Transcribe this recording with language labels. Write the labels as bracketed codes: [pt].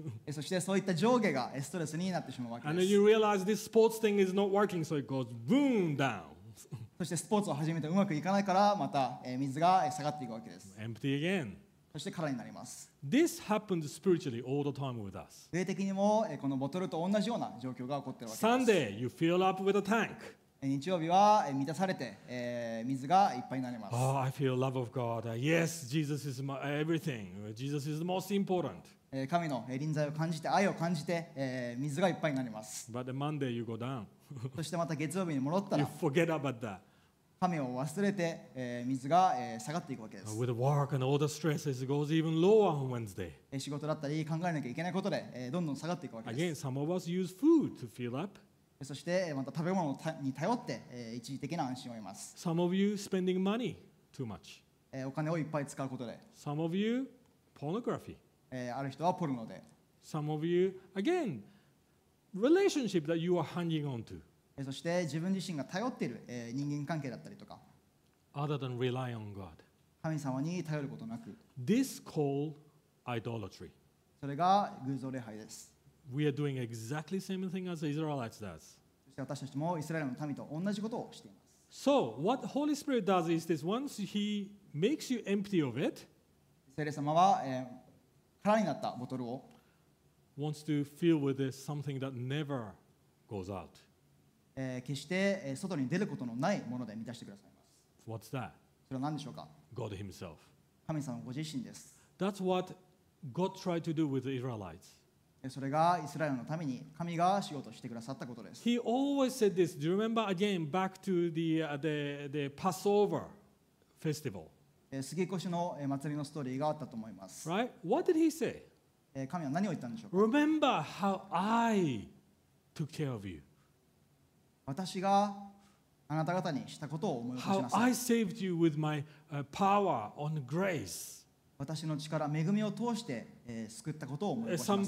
[ja] そしてそういった上下がストレスになってしまうわけです。 [en] And then you realize this sports thing is not working so it goes boom down [ja] そしてスポーツを始めてうまくいかないからまた水が下がっていくわけです。 [en] Empty again [ja] そして空になります。 [en] This happens spiritually all the time with us [ja] 霊的にもこのボトルと同じような状況が起こっているわけです。 [en] Sunday you fill up with a tank [ja] 日曜日は満たされて水がいっぱいになります。 [en] Oh, I feel love of God. Yes, Jesus is my everything. Jesus is the most important. [ja] 神の臨在を感じて愛を感じて水がいっぱいになります。 [en] But the Monday you go down. [ja] そしてまた月曜日に戻ったら [en] You forget about that. [ja] 神を忘れて水が下がっていくわけです。 [en] With work and all the stresses, it goes even lower on Wednesday. [ja] 仕事だったり考えなきゃいけないことでどんどん下がっていくわけです。 [en] Again, some of us use food to fill up. [ja] そしてまた食べ物に頼って一時的な安心を得ます。 [en] Some of you spending money too much. [ja] お金をいっぱい使うことで。 [en] Some of you pornography. [ja] ある人はポルノで。 [en] Some of you again relationship that you are hanging on to. [ja] そして自分自身が頼っている人間関係だったりとか。 [en] Other than rely on God. [ja] 神様に頼ることなく。 [en] This called idolatry. [ja] それが偶像礼拝です。 [en] We are doing exactly the same thing as the Israelites does. [ja] そして私たちもイスラエルの民と同じことをしています。 [en] So what Holy Spirit does is this: once He makes you empty of it, [ja] 聖霊様は空になったボトルを [en] wants to fill with this something that never goes out. [ja] 決して外に出ることのないもので満たしてくださいます。 [en] What's that? [ja] それは何でしょうか。 [en] God Himself. [ja] 神様ご自身です。 [en] That's what God tried to do with the Israelites. [ja] それがイスラエルのために神がしようとしてくださったことです。 [en] He always said this. Do you remember again back to the Passover festival? [ja] 過ぎ越しの祭りのストーリーがあったと思います。 [en] Right? What did he say? [ja] 神は何を言ったんでしょうか。 [en] Remember how I took care of you. [ja] 私があなた方にしたことを思い出しなさい。 [en] How I saved you with my power on grace. [ja] 私の力、恵みを通して、救ったことを思い起こしなさい。